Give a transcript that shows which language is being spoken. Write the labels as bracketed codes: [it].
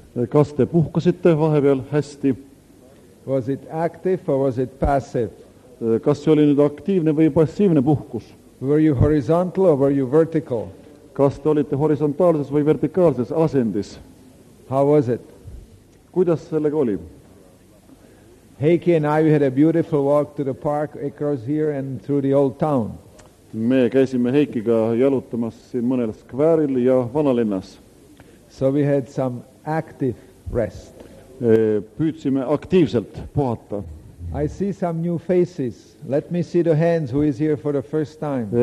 [et] Kas te puhkasite vahepeal hästi? [en] Was it active or was it passive? [et] Kas see oli nüüd aktiivne või passiivne puhkus? [en] Were you horizontal or were you vertical? [et] Kas te olite horisontaalses või vertikaalses asendis? [en] How was it? [et] Kuidas sellega oli? [en] Heiki and I, we had a beautiful walk to the park across here and through the old town. [et] Me käisime Heikiga jalutamas siin mõnel skvääril ja vanalinnas. [en] So we had some active rest. [et] Püüdsime aktiivselt puhata. [en] I see some new faces. Let me see the hands who is here for the first time.